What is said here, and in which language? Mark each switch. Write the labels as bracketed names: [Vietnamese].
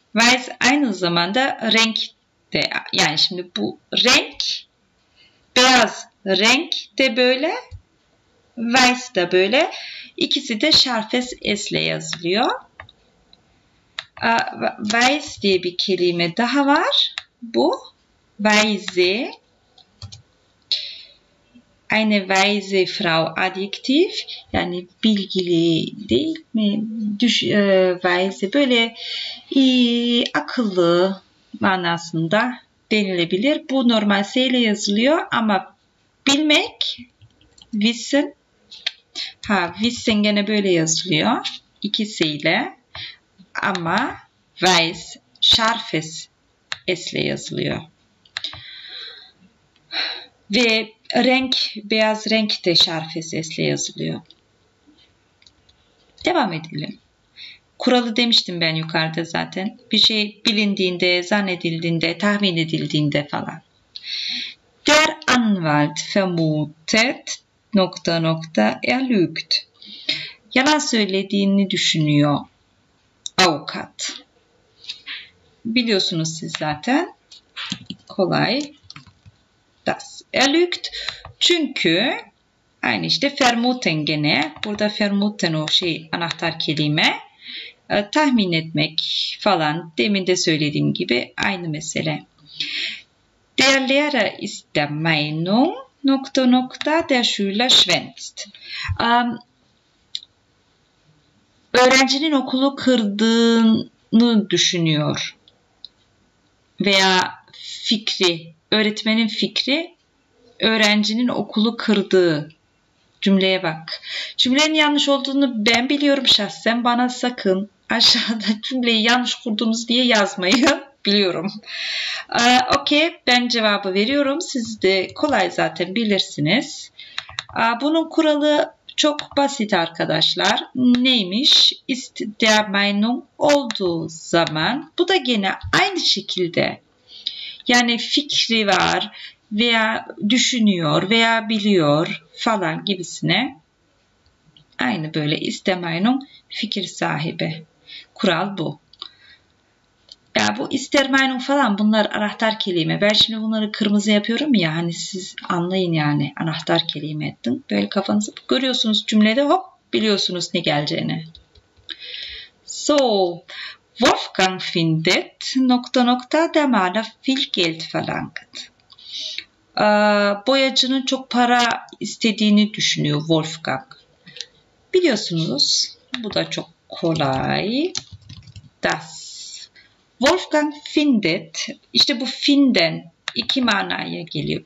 [Turkish] Weiß aynı zamanda renk. De, yani şimdi bu renk, beyaz renk de böyle, weiß de böyle. İkisi de şarfes s ile yazılıyor. Weiß diye bir kelime daha var. Bu, weise. [German] Eine weise Frau adjektif. [Turkish] Yani bilgili değil mi? Weise böyle akıllı manasında denilebilir. Bu normal S ile yazılıyor ama bilmek, wissen, ha wissen gene böyle yazılıyor iki S ile ama weiß, scharfes S ile yazılıyor. Ve renk, beyaz renk de scharfes S ile yazılıyor. Devam edelim. Kuralı demiştim ben yukarıda zaten. Bir şey bilindiğinde, zannedildiğinde, tahmin edildiğinde falan. [German] Der Anwalt vermutet [Turkish] nokta nokta [German] er lügt. [Turkish] Yalan söylediğini düşünüyor avukat. Biliyorsunuz siz zaten. Kolay. [German] Das er lügt. [Turkish] Çünkü aynı işte vermuten gene. Burada vermuten o şey anahtar kelime. Tahmin etmek falan, demin de söylediğim gibi aynı mesele. [German] Der Lehrer ist der Meinung, [Turkish] nokta nokta, [German] der Schüler schwänzt. [Turkish] Öğrencinin okulu kırdığını düşünüyor. Veya fikri, öğretmenin fikri, öğrencinin okulu kırdığı. Cümleye bak. Cümlenin yanlış olduğunu ben biliyorum şahsen, bana sakın. Aşağıda cümleyi yanlış kurdunuz diye yazmayı biliyorum. Okey, ben cevabı veriyorum. Siz de kolay zaten bilirsiniz. Bunun kuralı çok basit arkadaşlar. Neymiş? [German] Ist der Meinung [Turkish] olduğu zaman. Bu da gene aynı şekilde. Yani fikri var veya düşünüyor veya biliyor falan gibisine. Aynı böyle [German] ist der Meinung [Turkish] fikir sahibi. Kural bu. Ya bu ister Meinung falan bunlar anahtar kelime. Ben şimdi bunları kırmızı yapıyorum ya hani siz anlayın yani anahtar kelime ettim. Böyle kafanızı görüyorsunuz cümlede hop biliyorsunuz ne geleceğini. [German] So, Wolfgang findet [Turkish] nokta nokta [German] der Maler viel Geld verlangt. [Turkish] Boyacının çok para istediğini düşünüyor Wolfgang. Biliyorsunuz bu da çok kolay. Das. [German] Wolfgang findet, [Turkish] işte bu finden iki manaya geliyor.